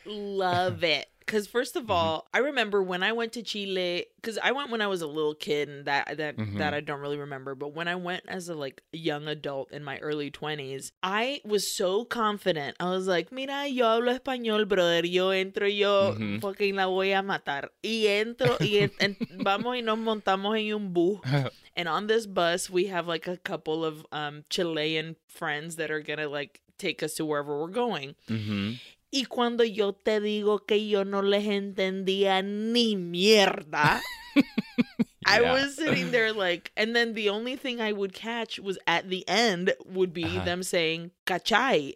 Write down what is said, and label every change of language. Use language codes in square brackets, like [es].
[en] I love it. Because first of all, I remember when I went to Chile, because I went when I was a little kid and that I don't really remember. But when I went as a like young adult in my early 20s, I was so confident. I was like, [es] mira, yo hablo español, brother. Yo entro, yo fucking la voy a matar. Y entro, y vamos y nos montamos en un bus. [en] And on this bus, we have like a couple of Chilean friends that are going to like take us to wherever we're going. Mm-hmm. [es] Y cuando yo te digo que yo no les entendía ni mierda, [en] I was sitting there like, and then the only thing I would catch was at the end would be them saying, cachai.